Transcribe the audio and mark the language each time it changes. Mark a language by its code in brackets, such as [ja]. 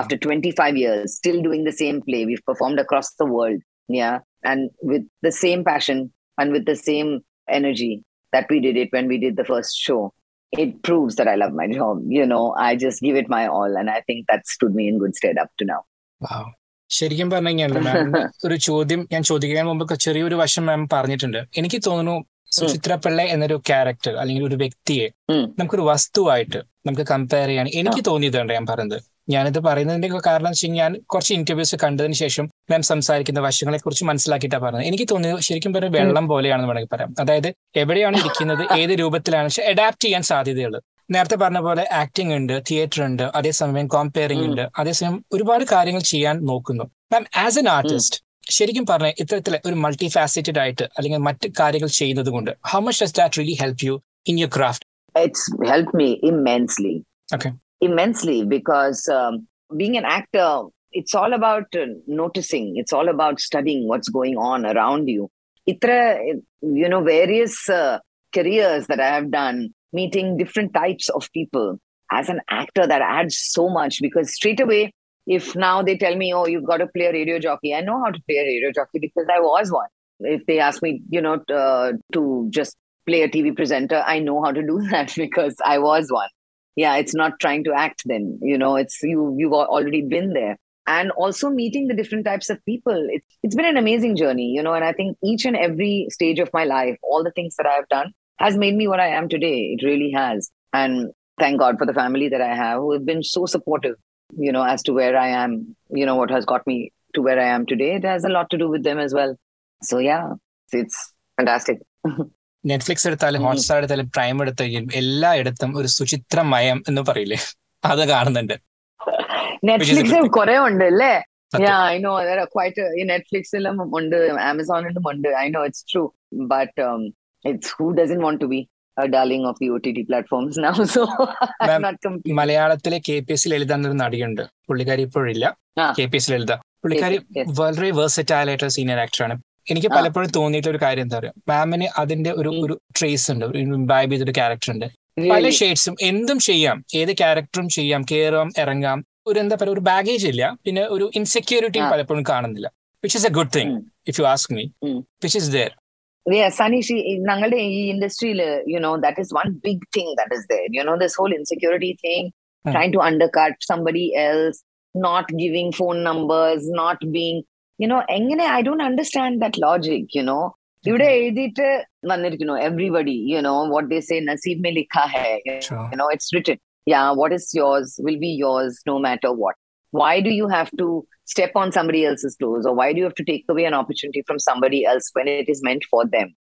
[en] After 25 years, still doing the same play. We've performed across the world. Yeah. And with the same passion and with the same energy that we did it when we did the first show, it proves that I love my job. You know, I just give it my all. And I think that stood me in good stead up to now. Wow. [ml] ശരിക്കും പറഞ്ഞു കഴിഞ്ഞാൽ മാം, ഒരു ചോദ്യം ഞാൻ ചോദിക്കാൻ മുമ്പ് ചെറിയൊരു വശം മാം പറഞ്ഞിട്ടുണ്ട്. എനിക്ക് തോന്നുന്നു സുചിത്ര പിള്ള എന്നൊരു ക്യാരക്ടർ അല്ലെങ്കിൽ ഒരു വ്യക്തിയെ നമുക്കൊരു വസ്തുവായിട്ട് നമുക്ക് കമ്പയർ ചെയ്യാണ് എനിക്ക് തോന്നിയതുണ്ട് ഞാൻ പറയുന്നത്. ഞാനിത് പറയുന്നതിന്റെ കാരണം വെച്ച് കഴിഞ്ഞാൽ ഞാൻ കുറച്ച് ഇന്റർവ്യൂസ് കണ്ടതിന് ശേഷം മാം സംസാരിക്കുന്ന വശങ്ങളെ കുറിച്ച് മനസ്സിലാക്കിയിട്ടാണ് പറഞ്ഞത്. എനിക്ക് തോന്നിയത് ശരിക്കും പറഞ്ഞ വെള്ളം പോലെയാണെന്ന് വേണമെങ്കിൽ പറയാം. അതായത് എവിടെയാണ് ഇരിക്കുന്നത്, ഏത് രൂപത്തിലാണ് അഡാപ്റ്റ് ചെയ്യാൻ സാധ്യതയുള്ളത്. നേരത്തെ പറഞ്ഞ പോലെ ആക്ടിംഗ് ഉണ്ട്, തിയേറ്റർ ഉണ്ട്, അതേസമയം കോമ്പയറിംഗ് ഉണ്ട്, അതേസമയം ഒരുപാട് കാര്യങ്ങൾ ചെയ്യാൻ നോക്കുന്നു. മാം, ആസ് എൻ ആർട്ടിസ്റ്റ് ശരിക്കും പറഞ്ഞ ഇത്തരത്തില് ഒരു മൾട്ടി ഫാസിറ്റഡ് ആയിട്ട് അല്ലെങ്കിൽ മറ്റ് കാര്യങ്ങൾ ചെയ്യുന്നത് കൊണ്ട് [en] How much does that really help you in your craft? It's helped me immensely. Okay. Immensely, because being an actor, it's all about noticing. It's all about studying what's going on around you. Itra, you know, various careers that I have done, meeting different types of people, as an actor, that adds so much. Because straight away, if now they tell me, oh, you've got to play a radio jockey, I know how to play a radio jockey because I was one. If they ask me, you know, to just play a TV presenter, I know how to do that because I was one. Yeah, it's not trying to act then, you know, it's you've already been there. And also meeting the different types of people, it's been an amazing journey, you know, and I think each and every stage of my life, all the things that I've done has made me what I am today. It really has. And thank God for the family that I have, who have been so supportive, you know, as to where I am, you know, what has got me to where I am today, it has a lot to do with them as well. So yeah, it's fantastic. [ml] Netflix എടുത്താലും Hotstar എടുത്താലും prime എടുത്തെങ്കിലും എല്ലായിടത്തും ഒരു സുചിത്രമയം എന്ന് പറയില്ലേ, അത് കാണുന്നുണ്ട്. Netflix കുറെ ഉണ്ട് അല്ലേ? [en] Yeah, I know. There are quite a, [ml] Netflixilum undu, Amazonilum undu. [en] I know it's true, but it's who doesn't want to be a darling of the OTT platforms now. So I'm not complaining. [ml] മലയാളത്തിലെ KPS ലെഴുതാനൊരു നടിയുണ്ട്, പുള്ളിക്കാരി ഇപ്പോഴില്ല. KPS ലെഴുതാ, പുള്ളിക്കാരി വളരെ versatile ആയിട്ടുള്ള senior actor ആണ്. എനിക്ക് പലപ്പോഴും തോന്നിയിട്ട് ഒരു കാര്യം എന്താ പറയുക, മാമിന് അതിന്റെ ഒരു ഒരു ട്രേസ് ഉണ്ട്, ഇംബൈബ് ചെയ്തൊരു ക്യാരക്ടർ ഉണ്ട്. പല ഷേഡ്സും എന്തും ചെയ്യാം, ഏത് ക്യാരക്ടറും ചെയ്യാം, കേറാം ഇറങ്ങാം. ഒരു എന്താ പറയുക, ഒരു ബാഗേജ് ഇല്ല, പിന്നെ ഒരു ഇൻസെക്യൂരിറ്റി പലപ്പോഴും കാണുന്നില്ല, [en] Which is a good thing if you ask me, which is there. Yeah, Sanishi, [ml] ഞങ്ങളുടെ ഈ ഇൻഡസ്ട്രിയിൽ, [en] you know, that is one big thing that is there, you know, this whole insecurity thing, trying to undercut somebody else, not giving phone numbers, not being, you know, [ml] engane [en] I don't understand that logic, you know. [ml] Ivide edite vannirikkuno [en] everybody, you know, what they say, [hi] naseeb mein likha hai, [en] you know, it's written. Yeah, what is yours will be yours no matter what. Why do you have to step on somebody else's toes, or why do you have to take away an opportunity from somebody else when it is meant for them?